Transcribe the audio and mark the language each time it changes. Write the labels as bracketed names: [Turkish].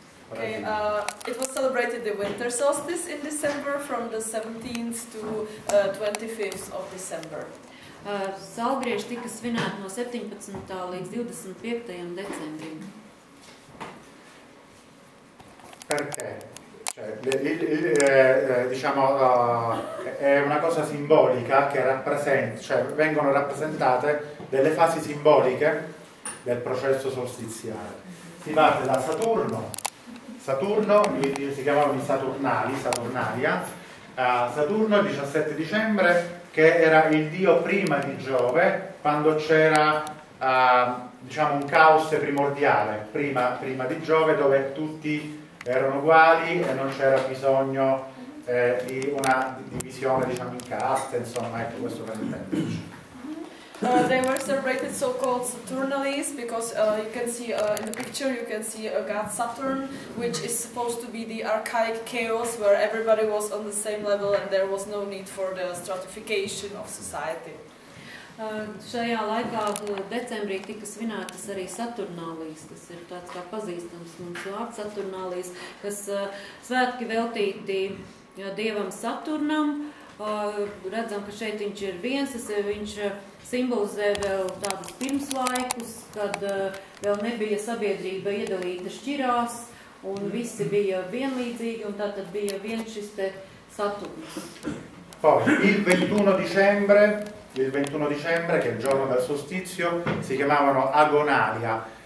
[English] Okay, it was celebrated the winter solstice in December from the 17th to 25th of December. [Latvian] Salgriež tika svinēt no 17. Līdz 25. Decembrim. [Italian] Perché? Cioè, diciamo, è una cosa simbolica che rappresenta, cioè vengono rappresentate delle fasi simboliche del processo solstiziale. Si parte da Saturno, si chiamavano i Saturnali, Saturnalia, Saturno il 17 dicembre, che era il dio prima di Giove, quando c'era diciamo un caos primordiale, prima di Giove, dove tutti erano uguali e non c'era bisogno di una divisione, diciamo, in caste, insomma, ecco questo per intenderci. [English] They were celebrated so-called Saturnales because you can see in the picture you can see a god Saturn, which is supposed to be the archaic chaos where everybody was on the same level and there was no need for the stratification of society. [Latvian] Šajā laikā decembrī tika svinētas arī Saturnalijas, kas ir tāds kā pazīstams mums vārds Saturnalijas, kas svētki veltīti dievam Saturnam. Redzam, ka šeit viņš ir viens, viņš simbolizē vēl tādus pirmslaikus, kad vēl nebija sabiedrība iedalīta šķirās, un visi bija vienlīdzīgi, un tātad bija viens šis te Saturns. [Italian] Il 21 dicembre, che è il giorno del solstizio, si chiamavano Agonalia.